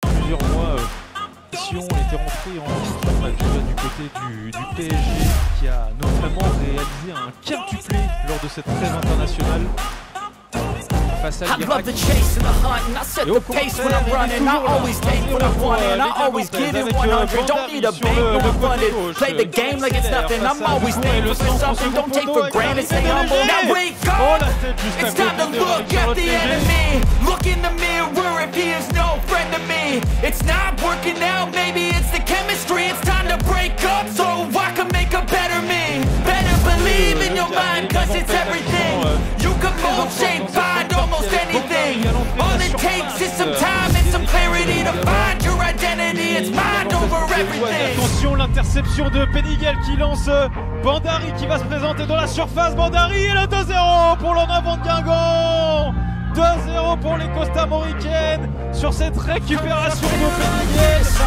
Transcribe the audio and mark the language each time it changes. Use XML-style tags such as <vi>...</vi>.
<fr>plusieurs mois, si on était rentré en liste du côté du PSG, qui a notamment réalisé un quintuplé lors de cette trêve internationale.</fr> <en>I love the chase and the hunt, and I set the pace when I'm running. I always take what I want, and I always give it 100. Don't need a bank, no one funded. Play the game like it's nothing. I'm always thankful for something. Don't take for granted, stay humble. Now wake up! It's time to look at the enemy. Look in the mirror if he is no friend to me. It's not working out, maybe it's the chemistry. It's time to break up so I can make a better me. Better believe in your mind, cause it's everything. You can mold shape, find almost anything. All it takes is some time and some clarity to find your identity. It's mind over everything.</en> <fr>Attention, l'interception de Penigel qui lance Bhandari qui va se présenter dans la surface. Bhandari et le 2-0 pour l'en avant de Guingamp. 2-0 pour les Costa-Moricaines sur cette récupération de Penigel.</fr>